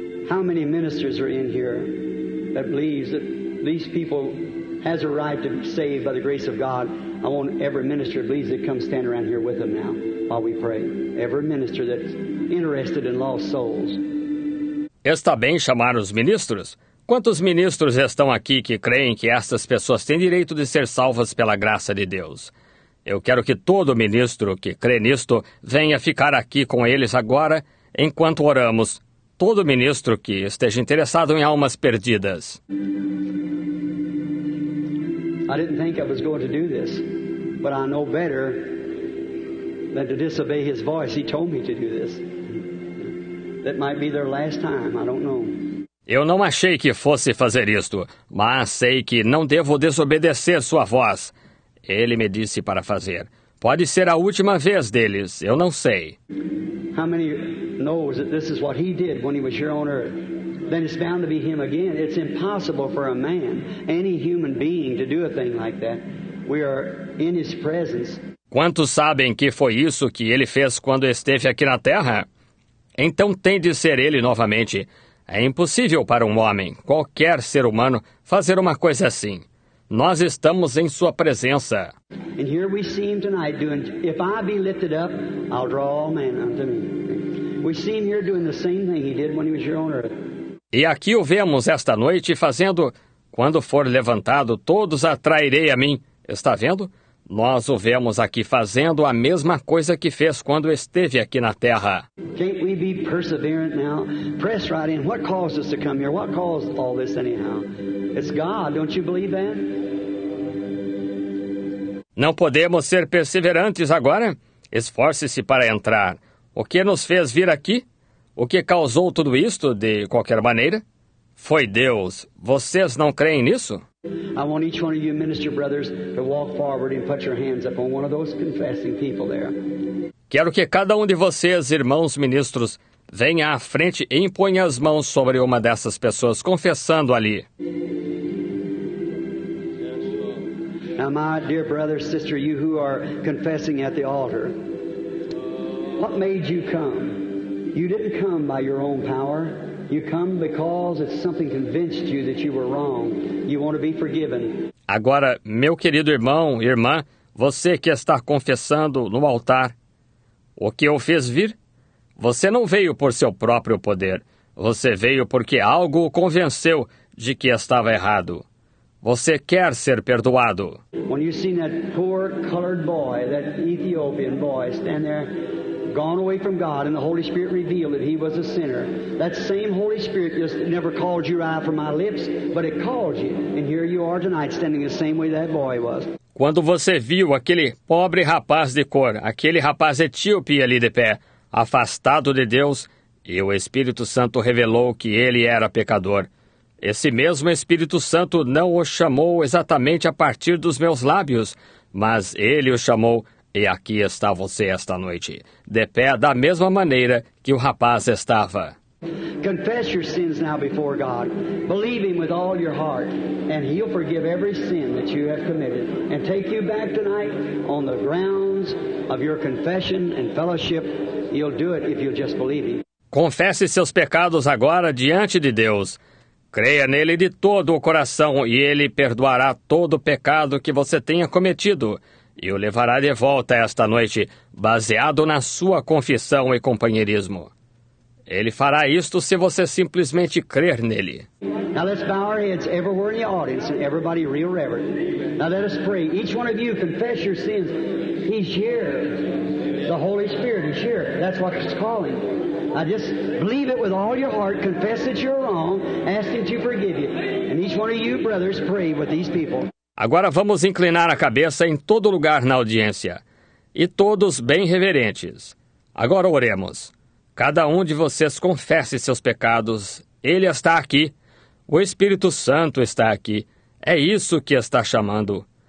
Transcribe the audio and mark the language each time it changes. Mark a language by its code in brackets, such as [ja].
[en] How many ministers are in here that believes that these people has a right to be saved by the grace of God? I want every minister that believes to come stand around here with them now while we pray. Every minister that's interested in lost souls. [pt] Está bem chamar os ministros? Quantos ministros estão aqui que creem que estas pessoas têm direito de ser salvas pela graça de Deus? Eu quero que todo ministro que crê nisto venha ficar aqui com eles agora enquanto oramos. Todo ministro que esteja interessado em almas perdidas. [en] I didn't think I was going to do this, but I know better than to disobey his voice. He told me to do this. That might be their last time, I don't know. [pt] Eu não achei que fosse fazer isto, mas sei que não devo desobedecer sua voz. Ele me disse para fazer. Pode ser a última vez deles, eu não sei. [en] How many knows that this is what he did when he was here on earth? Then it's bound to be him again. It's impossible for a man, any human being, to do a thing like that. We are in his presence. [pt] Quantos sabem que foi isso que ele fez quando esteve aqui na Terra? então tem de ser ele novamente. É impossível para um homem, qualquer ser humano, fazer uma coisa assim. Nós estamos em sua presença. [en] And here we see him tonight doing, if I be lifted up, I'll draw all men unto me. We see him here doing the same thing he did when he was here on earth. [pt] E aqui o vemos esta noite fazendo, quando for levantado, todos atrairei a mim. Está vendo? Nós o vemos aqui fazendo a mesma coisa que fez quando esteve aqui na terra. [en] Can't we be perseverant now? Press right in. What caused us to come here? What caused all this anyhow? It's God, don't you believe that? [pt] Não podemos ser perseverantes agora? Esforce-se para entrar. O que nos fez vir aqui? O que causou tudo isto, de qualquer maneira? Foi Deus. Vocês não creem nisso? [en] I want each one of you minister brothers to walk forward and put your hands up on one of those confessing people there. [pt] Quero que cada de vocês, irmãos ministros, venha à frente e imponha as mãos sobre uma dessas pessoas confessando ali. [en] Now, my dear brother, sister, you who are confessing at the altar, what made you come? You didn't come by your own power. You come because it's something convinced you that you were wrong. You want to be forgiven. [pt] Agora, meu querido irmão, irmã, você que está confessando no altar, o que eu fiz vir? Você não veio por seu próprio poder. Você veio porque algo o convenceu de que estava errado. Você quer ser perdoado. [en] When you see that poor colored boy, that Ethiopian boy, stand there, gone away from God, and the Holy Spirit revealed that he was a sinner. That same Holy Spirit just never called you right from my lips, but it called you. And here you are tonight, standing the same way that boy was. [pt] Quando você viu aquele pobre rapaz de cor, aquele rapaz etíope ali de pé, afastado de Deus, e o Espírito Santo revelou que ele era pecador. Esse mesmo Espírito Santo não o chamou exatamente a partir dos meus lábios, mas ele o chamou. E aqui está você esta noite, de pé da mesma maneira que o rapaz estava. [en] Confess your sins now before God. Believe him with all your heart, and he'll forgive every sin that you have committed and take you back tonight on the grounds of your confession and fellowship. He'll do it if you'll just believe him. [pt] Confesse seus pecados agora diante de Deus. Creia nele de todo o coração e ele perdoará todo o pecado que você tenha cometido. E o levará de volta esta noite, baseado na sua confissão e companheirismo. Ele fará isto se você simplesmente crer nele. [en] Now let's bow our heads everywhere in the audience and everybody real reverent. Now let us pray. Each one of you confess your sins. He's here. The Holy Spirit is here. That's what it's calling. I just believe it with all your heart. Confess that you're wrong. Ask him to forgive you. And each one of you brothers pray with these people. [pt] Agora vamos inclinar a cabeça em todo lugar na audiência, e todos bem reverentes. Agora oremos. Cada de vocês confesse seus pecados. Ele está aqui. O Espírito Santo está aqui. É isso que está chamando.